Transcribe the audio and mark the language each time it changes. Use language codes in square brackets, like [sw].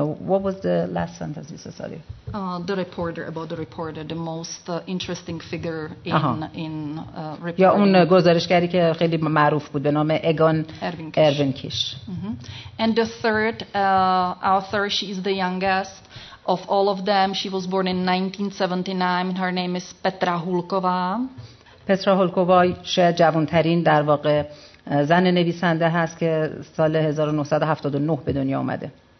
[en] What was the last sentence you said, sorry? The reporter, about the reporter, the most interesting figure in reporting. [fa] یا اون گزارشگری که خیلی معروف بود به نام اگان اروین کیش. [en] And the third author, she is the youngest of all of them. She was born in 1979. Her name is Petra Hulková. [fa] Petra Hulková شاید جوانترین در واقع زن نویسنده هست که سال 1979 به دنیا آمده.